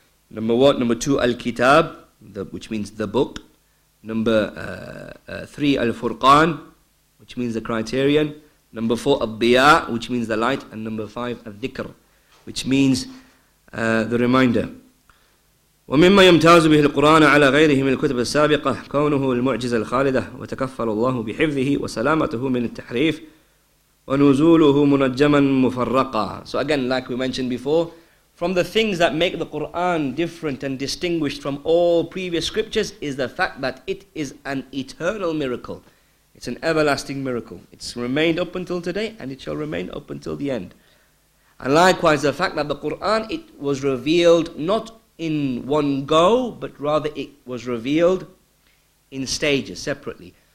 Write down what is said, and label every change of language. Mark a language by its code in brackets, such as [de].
[en] Number two, Al-Kitab, which means the book. Number three, Al-Furqan, which means the criterion. Number four, Al-Biya, which means the light. And number five, Al-Dhikr, which means the reminder. [ar] ومما يمتاز به القرآن على غيره من الكتب السابقة كونه المعجزة الخالدة وتكفل الله بحفظه وسلامته من التحريف ونزوله منجما مفرقا. [en] So again, like we mentioned before, from the things that make the Quran different and distinguished from all previous scriptures is the fact that it is an eternal miracle. It's an everlasting miracle. It's remained up until today and it shall remain up until the end. And likewise, the fact that the Quran, it was revealed not in one go, but rather it was revealed in stages, separately.